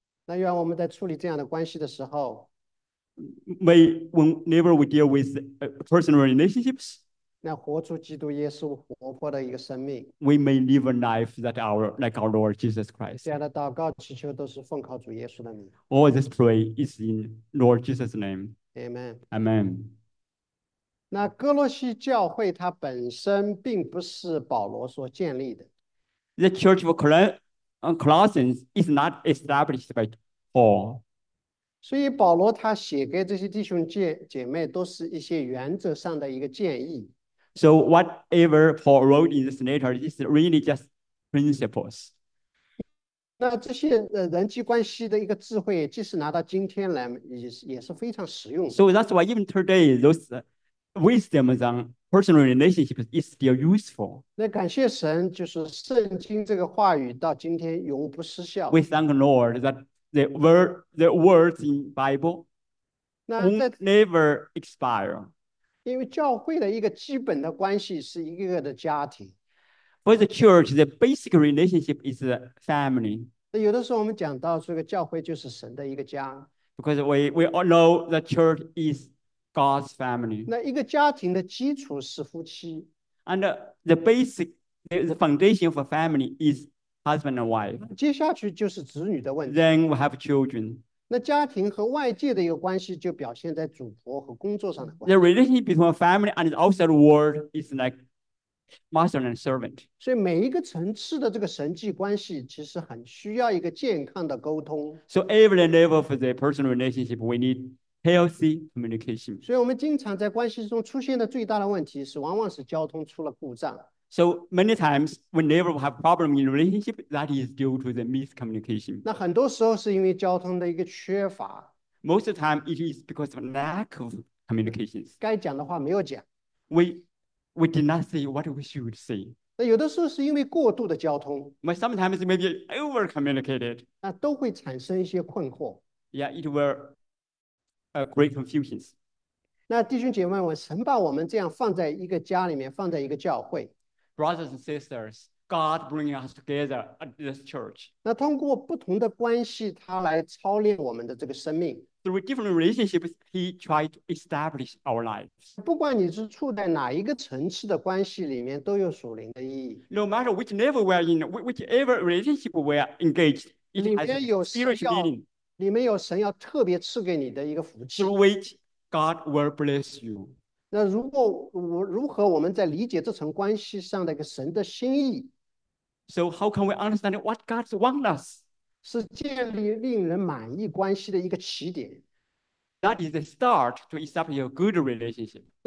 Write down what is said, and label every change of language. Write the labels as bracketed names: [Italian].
[Chinese] 那愿我们在处理这样的关系的时候。 [English] May whenever we deal with personal relationships, [Chinese] 那活出基督耶稣活泼的一个生命。 [English] we may live a life that our like our Lord Jesus Christ. [Chinese] 这样的祷告祈求都是奉靠主耶稣的名。 [English] All this pray is in Lord Jesus' name. Amen. Amen. [Chinese] 那哥罗西教会它本身并不是保罗所建立的。 [English] The Church of Colossians is not established by Paul. [Chinese] 所以保罗他写给这些弟兄姐妹都是一些原则上的一个建议。 [English] So whatever Paul wrote in this letter is really just principles. [Chinese] 那这些人际关系的一个智慧，即使拿到今天来，也是非常实用的。 [English] So that's why even today those wisdom on personal relationships is still useful. [Chinese] 那感谢神，就是圣经这个话语到今天永不失效。 [English] We thank the Lord that the words in Bible won't never expire. [Chinese] 因为教会的一个基本的关系是一个个的家庭。 [English] For the church, the basic relationship is a family. [Chinese] 有的时候我们讲到这个教会就是神的一个家。 [English] Because we all know the church is God's family. [Chinese] 那一个家庭的基础是夫妻。 [English] And the basic, the foundation of a family is husband and wife. [Chinese] 接下去就是子女的问题。 [English] Then we have children. [Chinese] 那家庭和外界的一个关系就表现在主仆和工作上的关系。 [English] The relationship between a family and the outside world is like master and servant. [Chinese] 所以每一个层次的这个人际关系其实很需要一个健康的沟通。 [English] So every level of the personal relationship, we need healthy communication. [Chinese] 所以我们经常在关系中出现的最大的问题是往往是交通出了故障。 [English] So many times, whenever we have problem in relationship, that is due to the miscommunication. [Chinese] 那很多时候是因为交通的一个缺乏。 [English] Most of the time, it is because of lack of communications. [Chinese] 该讲的话没有讲。 [English] We did not say what we should say. [Chinese] 那有的时候是因为过度的交通。 [English] But sometimes it may be over-communicated. [Chinese] 那都会产生一些困惑。 [English] Yeah, it were a great confusions. [Chinese] 那弟兄姐妹们，神把我们这样放在一个家里面，放在一个教会。 [English] Brothers and sisters, God bringing us together at this church. [Chinese] 那通过不同的关系，他来操练我们的这个生命。 [English] through different relationships, He tried to establish our lives. [Chinese] 不管你是处在哪一个层次的关系里面，都有属灵的意义。 [English] No matter which level we are in, whichever relationship we are engaged, it has a spiritual meaning. [Chinese] 里面有神要特别赐给你的一个福气。 [English] Through which God will bless you. [Chinese] 那如果我如何我们在理解这层关系上的一个神的心意？ [English] So how can we understand what God wants us? [Chinese] 是建立令人满意关系的一个起点。 [English] That is the start to establish a good relationship.